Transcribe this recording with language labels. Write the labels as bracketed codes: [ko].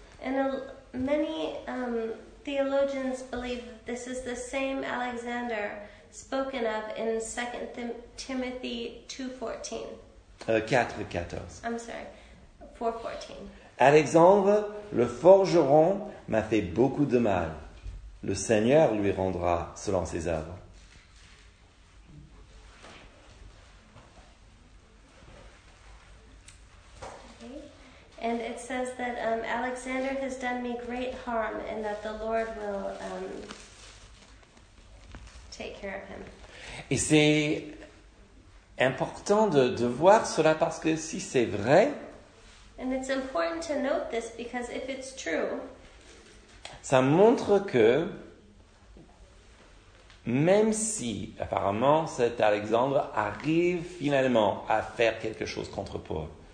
[en] And many theologians believe that this is the same Alexander spoken of in 2 Timothy 2:14. 4:14. I'm sorry. 4:14. [fr] Alexandre, le forgeron, m'a fait beaucoup de mal. Le Seigneur lui rendra selon ses œuvres. [en] Okay. And it says that Alexander has done me great harm and that the Lord will take care of him. [fr] Et c'est important de voir cela parce que si c'est vrai, [en] and it's important to note this because if it's true, [fr] ça montre que même si apparemment cet Alexandre arrive finalement à faire quelque chose contre Paul,